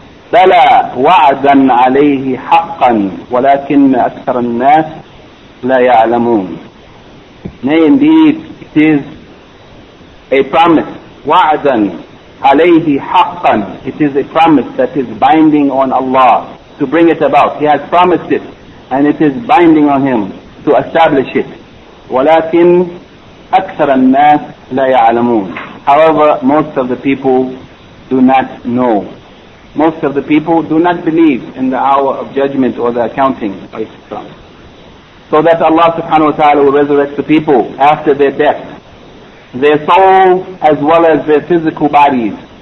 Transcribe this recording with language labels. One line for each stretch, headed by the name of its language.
Arabic: بَلَى وَعْدًا عَلَيْهِ حَقًّا وَلَكِنَّ أَكْثَرَ النَّاسِ لَا يَعْلَمُونَ.
English: Nay, indeed, it is a promise.
Arabic: وَعْدًا عَلَيْهِ حَقًّا.
English: It is a promise that is binding on Allah to bring it about. He has promised it, and it is binding on him to establish it.
Arabic: ولكن أكثر الناس لا يعلمون.
English: However, most of the people do not know. Most of the people do not believe in the hour of judgment or the accounting of Islam. So that Allah subhanahu wa ta'ala will resurrect the people after their death, their soul as well as their physical bodies.